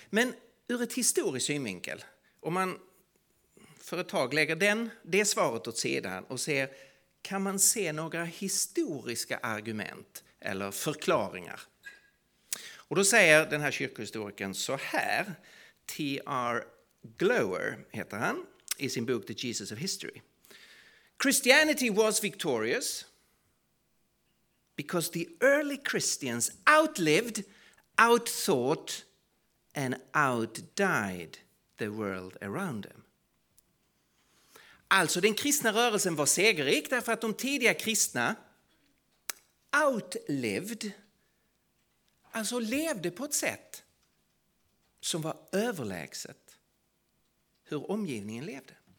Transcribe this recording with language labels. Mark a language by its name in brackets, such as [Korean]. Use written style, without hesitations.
[Swedish] Men ur ett historiskt synvinkel, om man för ett tag lägger det svaret åt sidan och ser, kan man se några historiska argument eller förklaringar? Och då säger den här kyrkohistorikern så här, T.R. Glower heter han, i sin bok The Jesus of History. [English] Christianity was victorious because the early Christians outlived, outthought and outdied the world around them. [Swedish] Alltså, den kristna rörelsen var segerrik därför att de tidiga kristna outlived, alltså levde på ett sätt som var överlägset hur omgivningen levde.